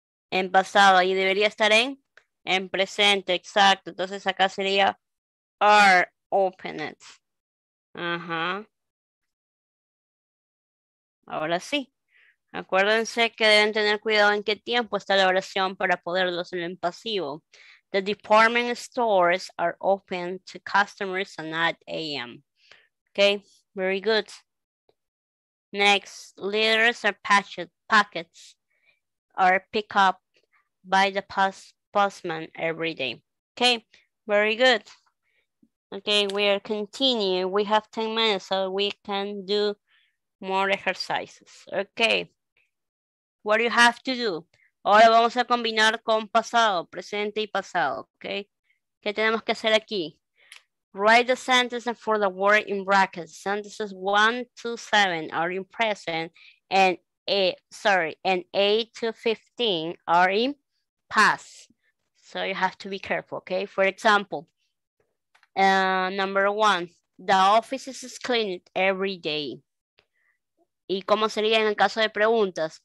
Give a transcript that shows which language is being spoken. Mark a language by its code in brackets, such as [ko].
[es] En pasado, y debería estar en presente, exacto. Entonces acá sería [en] are open it. [es] Ahora sí. Acuérdense que deben tener cuidado en qué tiempo está la oración para poderlo hacer en pasivo. [en] The department stores are open to customers at 9 a.m. Okay, very good. Next, letters or packets are picked up by the postman every day. Okay, very good. Okay, we are continue. We have 10 minutes so we can do more exercises. [es] Okay, [en] what do you have to do? [es] Ahora vamos a combinar con pasado, presente y pasado, okay? ¿Qué tenemos que hacer aquí? [en] Write the sentence for the word in brackets. Sentences 1 to 7 are in present and 8 to 15 are in past. So you have to be careful, okay? For example, number one, the office is cleaned every day. [es] ¿Y cómo sería en el caso de preguntas?